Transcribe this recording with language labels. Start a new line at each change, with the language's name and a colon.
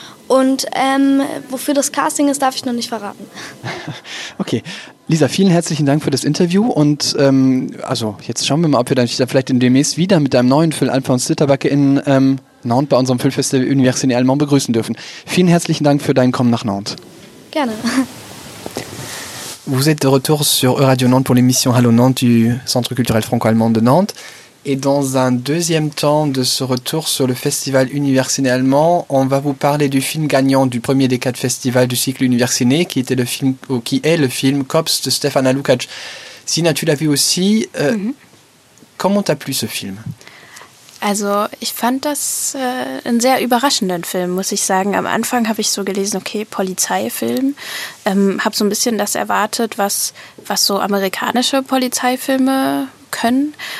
German: Und wofür das Casting ist, darf ich noch nicht verraten. Okay. Lisa, vielen herzlichen Dank für das Interview. Und also jetzt schauen wir mal, ob wir dich dann vielleicht demnächst wieder mit deinem neuen Film Alfons Zitterbacke in Nantes bei unserem Filmfestival Université Allemand begrüßen dürfen. Vielen herzlichen Dank für dein Kommen nach Nantes. Gerne.
French: Vous êtes de retour sur Euradio Nantes pour l'émission Hallo Nantes du Centre culturel franco-allemand de Nantes. Et dans un deuxième temps de ce retour sur le festival Université Allemand, on va vous parler du film gagnant du premier des quatre festivals du cycle Université, qui est le film Cops de Stefana Lukács. Sina, tu l'as vu aussi. Comment t'as plu ce film?
German: Also, ich fand das einen sehr überraschenden Film, muss ich sagen. Am Anfang habe ich so gelesen, okay, Polizeifilm. Habe so ein bisschen das erwartet, was so amerikanische Polizeifilme können.